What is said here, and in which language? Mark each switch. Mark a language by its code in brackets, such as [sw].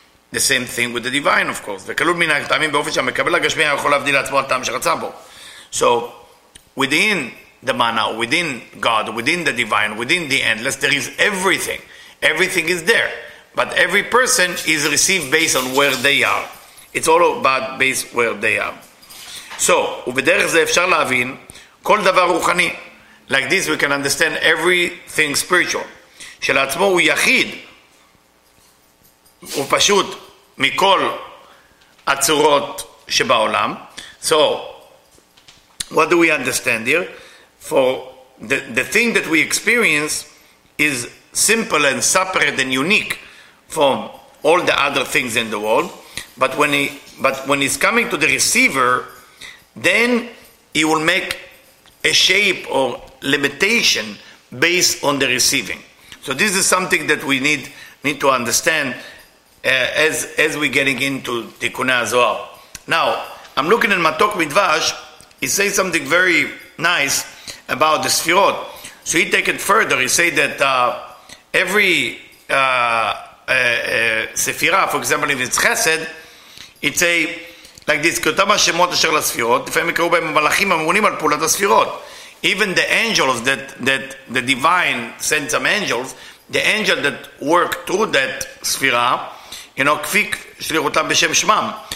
[en] The same thing with the divine, of course. So, within the mana, within God, within the divine, within the endless, there is everything. Everything is there. But every person is received based on where they are. It's all about based where they are. [he] So, ובדרך זה אפשר להבין כל דבר רוחני. [en] Like this, we can understand everything spiritual. [he] שלעצמו הוא יחיד. הוא פשוט מכל הצורות שבעולם. [en] So, what do we understand here? For the thing that we experience is simple and separate and unique from all the other things in the world. But when it's coming to the receiver, then he will make a shape or limitation based on the receiving. So this is something that we need to understand. As we're getting into Tikkunei Zohar. Now, I'm looking at Matok Midvash. He says something very nice about the Sefirot. So he takes it further. He says that every Sefirah, for example, if it's Chesed, it's a, like this, [he] כותם השמות אשר לספירות, לפעמים יקראו בהם המלאכים המעונים על פעולת הספירות. [en] Even the angels that the divine sent some angels, the angels that work through that Sefirah, you know, [he] kfik shlirutam b'shem shmam.